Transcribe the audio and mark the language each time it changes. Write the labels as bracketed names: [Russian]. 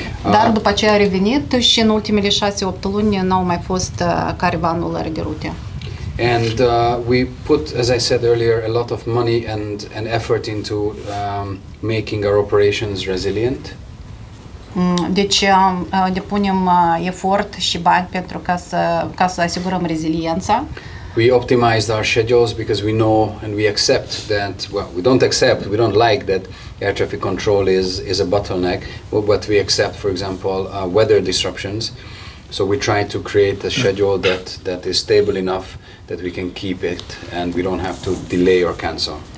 [Romanian] Dar după ce a revenit și în ultimele 6-8 luni n-au mai fost careva anulări de rute. [English] And we put, as I said earlier, a lot of money and an effort into making our operations resilient. [Romanian] Deci depunem efort și bani pentru ca să asigurăm reziliența. [English] We optimized our schedules because we know and we accept that, well, we don't like that air traffic control is a bottleneck, but we accept, for example, weather disruptions. So we try to create a schedule that is stable enough that we can keep it and we don't have to delay or cancel.